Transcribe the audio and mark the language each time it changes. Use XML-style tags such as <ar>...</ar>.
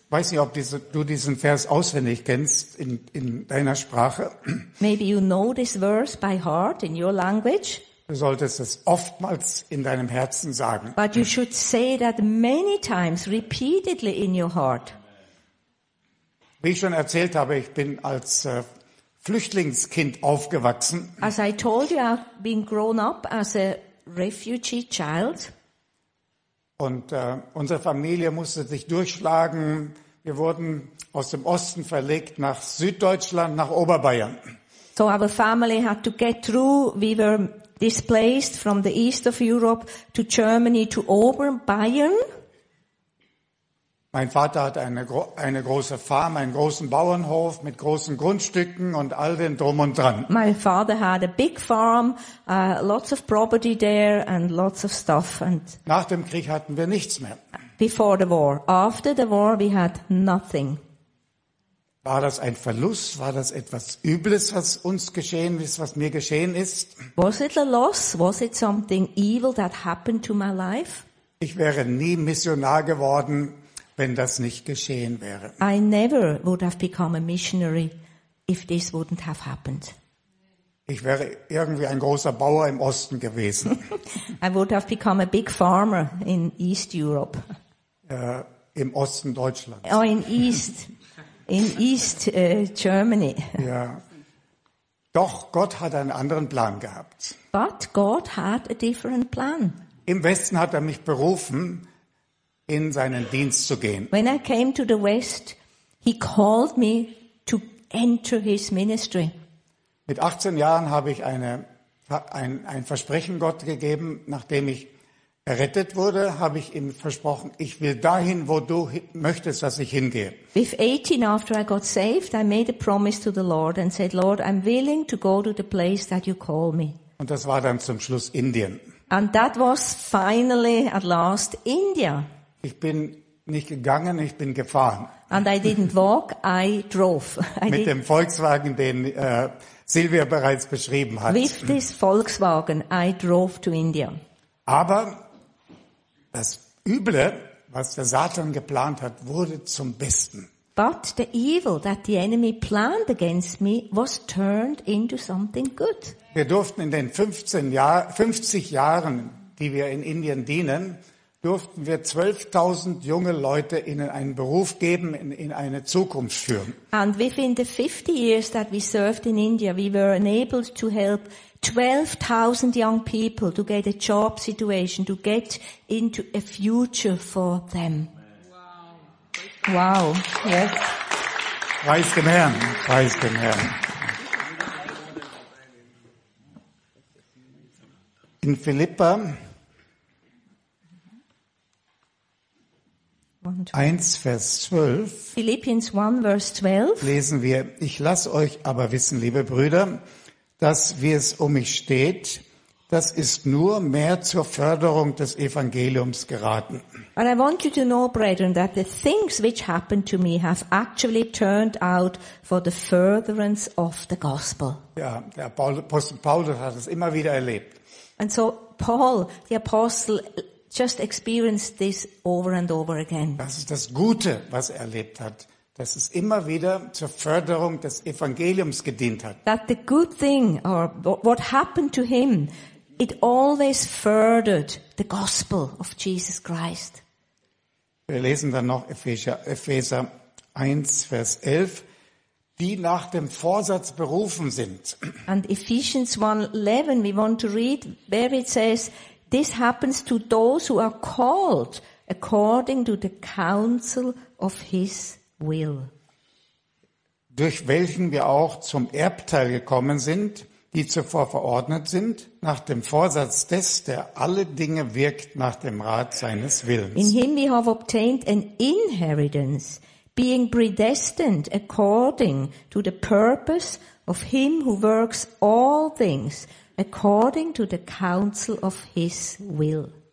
<de>Weiß nicht, ob du diesen Vers auswendig kennst in deiner Sprache.</de> <en>Maybe you know this verse by heart in your language.</en> <de>Du solltest es oftmals in deinem Herzen sagen.</de> <en>But you should say that many times, repeatedly in your heart.</en> <de>Wie ich schon erzählt habe, ich bin als Flüchtlingskind aufgewachsen.</de> <en>As I told you, I've been grown up as a refugee child.</en> <de>Und unsere Familie musste sich durchschlagen. Wir wurden aus dem Osten verlegt nach Süddeutschland, nach Oberbayern.</de> <en>So our family had to get through. We were displaced from the east of Europe to Germany to Oberbayern.</en> <de>Mein Vater hat eine große Farm, einen großen Bauernhof mit großen Grundstücken und all den Drum und Dran.</de> <en>My father had a big farm, lots of property there and lots of stuff. And</en> <de>nach dem Krieg hatten wir nichts mehr.</de> <en>Before the war. After the war we had nothing.</en> <de>War das ein Verlust? War das etwas Übles, was uns geschehen ist, was mir geschehen ist?</de> <en>Was it a loss? Was it something evil that happened to my life?</en> <de>Ich wäre nie Missionar geworden, wenn das nicht geschehen wäre.</de> <en>I never would have become a missionary if this wouldn't have happened.</en> <de>Ich wäre irgendwie ein großer Bauer im Osten gewesen.</de> <en>I would have become a big farmer in East Europe.</en> <de>Im Osten Deutschlands.</de> <en>Oh, in East Germany.</en> <de>Ja. Doch Gott hat einen anderen Plan gehabt.</de> <en>But God had a different plan.</en> <de>Im Westen hat er mich berufen, in seinen Dienst zu gehen.</de> <en>When I came to the West, he called me to enter his ministry.</en> <de>Mit 18 Jahren habe ich ein Versprechen Gott gegeben. Nachdem ich errettet wurde, habe ich ihm versprochen, ich will dahin, wo du möchtest, dass ich hingehe.</de> <en>With 18, after I got saved, I made a promise to the Lord and said, Lord, I'm willing to go to the place that you call me.</en> <de>Und das war dann zum Schluss Indien.</de> <en>And that was finally, at last, India.</en> <de>Ich bin nicht gegangen, ich bin gefahren.</de> <en>And I didn't walk, I drove.</en> <de>Mit dem Volkswagen, den Silvia bereits beschrieben hat.</de> <en>With this Volkswagen, I drove to India.</en> <de>Aber das Üble, was der Satan geplant hat, wurde zum Besten.</de> <en>But the evil that the enemy planned against me was turned into something good.</en> <de>Wir durften in den 50 Jahren, die wir in Indien dienen, durften wir 12.000 junge Leute ihnen einen Beruf geben, in eine Zukunft führen.</de> <en>And within the 50 years that we served in India, we were enabled to help 12.000 young people to get a job situation, to get into a future for them. Wow. Wow. Yes.</en> <de>Preis dem Herrn, preis dem Herrn. In Philipper 1, Vers 12,</de> <en>Philippians 1, Vers 12</en> <de>lesen wir: Ich lasse euch aber wissen, liebe Brüder, dass, wie es um mich steht, das ist nur mehr zur Förderung des Evangeliums geraten.</de> <en>And I want you to know, brethren, that the things which happened to me have actually turned out for the furtherance of the gospel.</en> <de>Ja, der Apostel Paulus hat es immer wieder erlebt.</de> <en>And so Paul, the apostle, just experienced this over and over again.</en> <de>Das ist das Gute, was er erlebt hat, dass es immer wieder zur Förderung des Evangeliums gedient hat.</de> <en>That the good thing, or what happened to him, it always furthered the gospel of Jesus Christ.</en> <de>Wir lesen dann noch Epheser 1, Vers 11, die nach dem Vorsatz berufen sind.</de> <en>And Ephesians 1:11, we want to read where it says, this happens to those who are called according to the counsel of his will.</en> <de>Durch welchen wir auch zum Erbteil gekommen sind, die zuvor verordnet sind, nach dem Vorsatz des, der alle Dinge wirkt nach dem Rat seines Willens.</de> <en>In him we have obtained an inheritance, being predestined according to the purpose of him who works all things according to the counsel of his will.</en>